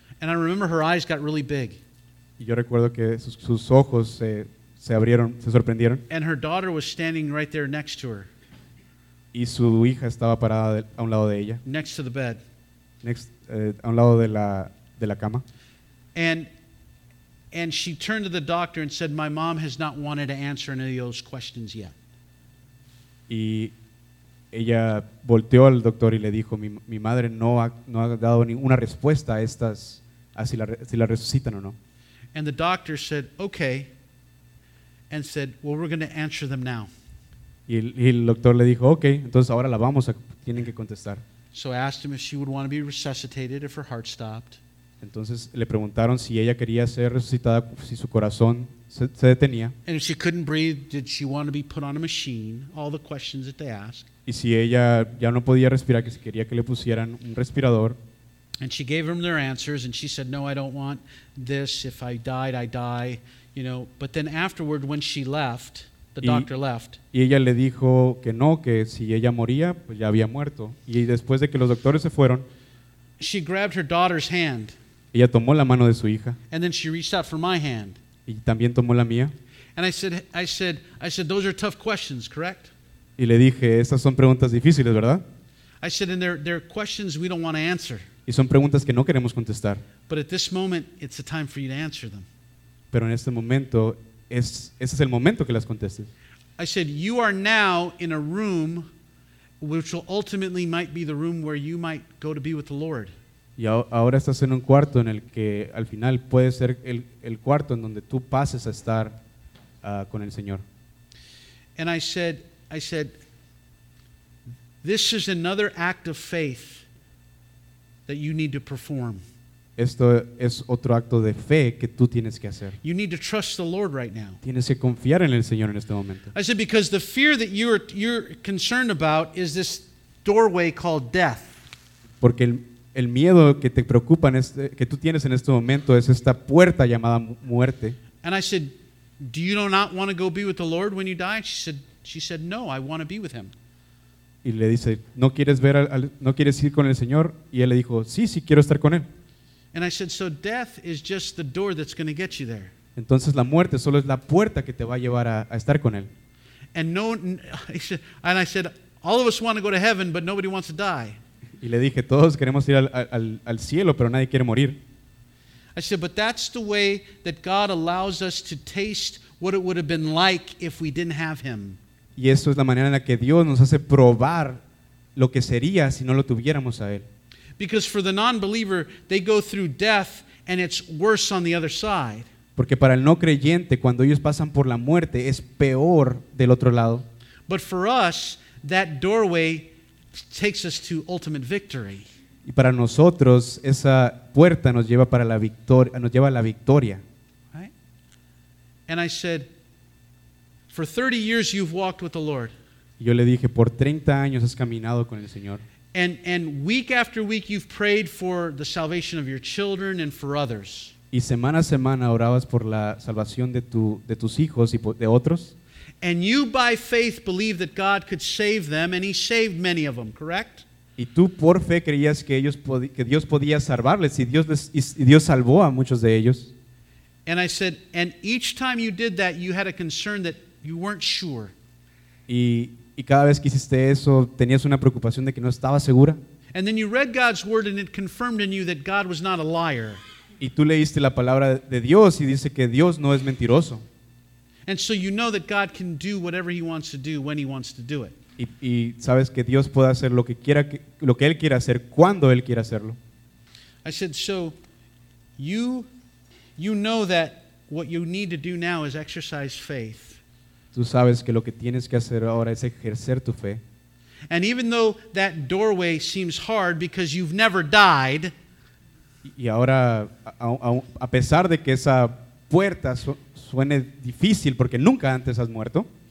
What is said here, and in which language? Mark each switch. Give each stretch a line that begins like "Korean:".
English: And I remember her eyes got really big.
Spanish: Y yo recuerdo que sus ojos se abrieron, se sorprendieron.
English: And her daughter was standing right there next to her.
Spanish: Y su hija estaba parada a un lado de ella.
English: Next to the bed.
Spanish: A un lado de la cama.
English: And she turned to the doctor and said, "My mom has not wanted to answer any of those questions yet."
Spanish: Y ella volteó al doctor y le dijo, mi madre no ha dado ninguna respuesta a estas, a si la resucitan o no.
English: And the doctor said, "Okay." And said, "Well, we're going to answer them now."
Spanish: Y el doctor le dijo, "Okay, entonces ahora la vamos a tienen que contestar."
English: So I asked him if she would want to be resuscitated if her heart stopped.
Spanish: Entonces le preguntaron si ella quería ser resucitada si su corazón se detenía.
English: And if she couldn't breathe, did she want to be put on a machine? All the questions that they asked.
Spanish: Y si ella ya no podía respirar, que si quería que le pusieran un respirador.
English: And she gave them their answers and she said, "No, I don't want this. If I died, I die." You know, but then afterward when she left, the doctor left.
Spanish: Y ella le dijo que no, que si ella moría, pues ya había muerto. Y después de que los doctores se fueron,
English: she grabbed her daughter's hand.
Spanish: Ella tomó la mano de su hija.
English: And then she reached out for my hand.
Spanish: Y también tomó la mía.
English: And I said, "Those are tough questions, correct?"
Spanish: Y le dije, "Estas son preguntas difíciles, ¿verdad?"
English: I said, "And they're questions we don't want to answer."
Spanish: Y son preguntas que no queremos contestar.
English: But at this moment, it's the time for you to answer them.
Spanish: Pero en este momento ese es el momento que las contestes.
English: I said, "You are now in a room which will ultimately might be the room where you might go to be with the Lord."
Spanish: Y ahora estás en un cuarto en el que al final puede ser el cuarto en donde tú pases a estar con el Señor.
English: And I said, "This is another act of faith that you need to perform."
Spanish: Esto es otro acto de fe que tú tienes que hacer.
English: You need to trust the Lord right now.
Spanish: Tienes que confiar en el Señor en este momento.
English: I said, "Because the fear that you're concerned about is this doorway called death."
Spanish: Porque el miedo que te preocupa en que tú tienes en este momento es esta puerta llamada muerte.
English: And I said, "Do you not want to go be with the Lord when you die?" She said, "No, I want to be with him."
Spanish: Y le dice, no quieres ir con el Señor? Y él le dijo, sí, quiero estar con él.
English: And I said, "So death is just the door that's going to get you there."
Spanish: Entonces la muerte solo es la puerta que te va a llevar a estar con él.
English: And no, I said, "All of us want to go to heaven, but nobody wants to die."
Spanish: Y le dije, todos queremos ir al cielo, pero nadie quiere morir.
English: I said, "But that's the way that God allows us to taste what it would have been like if we didn't have him."
Spanish: Y eso es la manera en la que Dios nos hace probar lo que sería si no lo tuviéramos a él.
English: Because for the non-believer, they go through death and it's worse on the other side.
Spanish: Porque para el no creyente, cuando ellos pasan por la muerte, es peor del otro lado.
English: But for us, that doorway takes us to ultimate victory.
Spanish: Y para nosotros, esa puerta nos lleva para la victoria, nos lleva a la victoria.
English: And I said, "For 30 years you've walked with the Lord."
Spanish: Yo le dije, por 30 años has caminado con el Señor.
English: And week after week you've prayed for the salvation of your children and for others.
Spanish: y semana a semana orabas por la salvación de tus hijos y de otros.
English: And you by faith believed that God could save them, and he saved many of them, correct?
Spanish: Y tú por fe creías que ellos que Dios podía salvarles y Dios les y Dios salvó a muchos de ellos.
English: And I said, and each time you did that, you had a concern that you weren't sure.
Spanish: Y cada vez que hiciste eso, tenías una preocupación de que no estabas segura.
English: And then you read God's word and it confirmed in you that God was not a liar.
Spanish: Y tú leíste la palabra de Dios y dice que Dios no es mentiroso.
English: And so you know that God can do whatever he wants to do when he wants to do it.
Spanish: Y sabes que Dios puede hacer lo que quiera lo que él quiera hacer cuando él quiera hacerlo.
English: I said, so you know that what you need to do now is exercise faith.
Spanish: Tú sabes que lo que tienes que hacer ahora es ejercer tu fe.
English: And even though that doorway seems hard because you've never died,
Spanish: y ahora a pesar de que esa puerta suene difícil porque nunca antes has muerto,